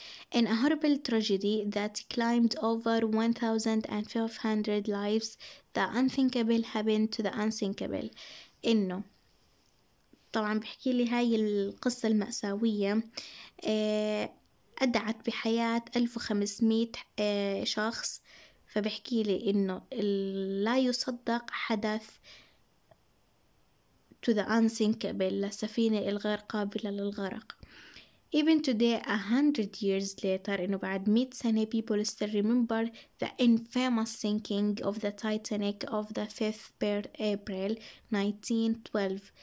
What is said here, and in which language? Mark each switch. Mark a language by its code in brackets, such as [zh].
[en] In a horrible tragedy that claimed over 1,500 lives, the unthinkable happened to the unsinkable. [ar] إنه طبعا بحكي لي هاي القصة المأساوية أدعت بحياة 1500 شخص. فبحكي لي إنه لا يصدق حدث [en] to the unsinkable, [ar] لسفينة الغير قابلة للغرق. [en] Even today, 100 years later, [ar] إنه بعد 100 سنة, [en] people still remember the infamous sinking of the Titanic of the 5th April 1912.